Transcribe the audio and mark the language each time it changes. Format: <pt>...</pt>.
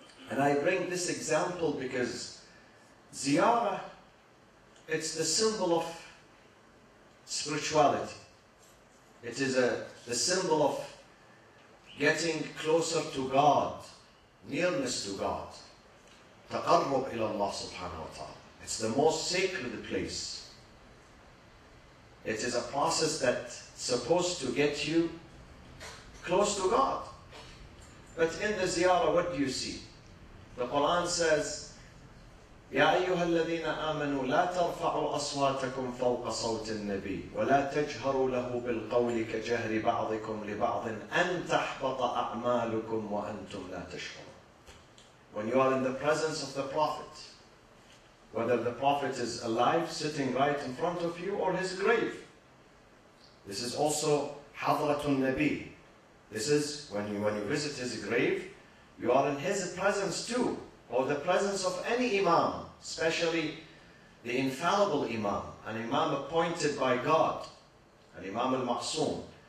<en>And I bring this example because ziyarah, it's the symbol of spirituality. It is the symbol of getting closer to God, nearness to God.</en> <ar>تقرب إلى الله سبحانه وتعالى.</ar> <en>It's the most sacred place. It is a process that's supposed to get you close to God. But in the ziyarah, what do you see? The Quran says,</en> <ar>يَا أَيُّهَا الَّذِينَ آمَنُوا لَا تَرْفَعُوا أَصْوَاتَكُمْ فَوْقَ صَوْتِ النَّبِيِّ وَلَا تَجْهَرُوا لَهُ بِالْقَوْلِ كَجَهْرِ بَعْضِكُمْ لِبَعْضٍ أَنْ تَحْبَطَ أَعْمَالُكُمْ وَأَنْتُمْ لَا تَشْعُرُونَ.</ar> <en>When you are in the presence of the Prophet, whether the Prophet is alive, sitting right in front of you, or his grave. This is also Hadratun Nabi. This is when you visit his grave, you are in his presence too, or the presence of any Imam, especially the infallible Imam, an Imam appointed by God, an Imam al-Ma'soom.</en>